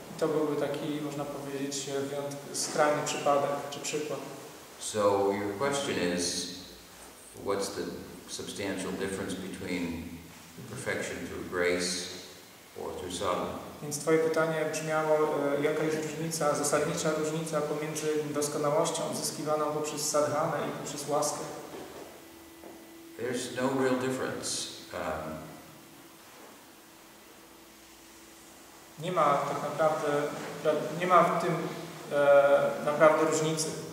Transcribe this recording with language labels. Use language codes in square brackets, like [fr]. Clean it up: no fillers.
[pl] To byłby taki, można powiedzieć, skrajny przypadek czy przykład. [en] So your question is, what's the substantial difference between perfection through grace or through sadhana? [pl] Więc twoje pytanie brzmiało, jaka jest różnica, zasadnicza różnica pomiędzy doskonałością odzyskiwaną poprzez sadhanę i poprzez łaskę? [en] There's no real difference. [pl] Nie ma tak naprawdę, nie ma w tym naprawdę różnicy.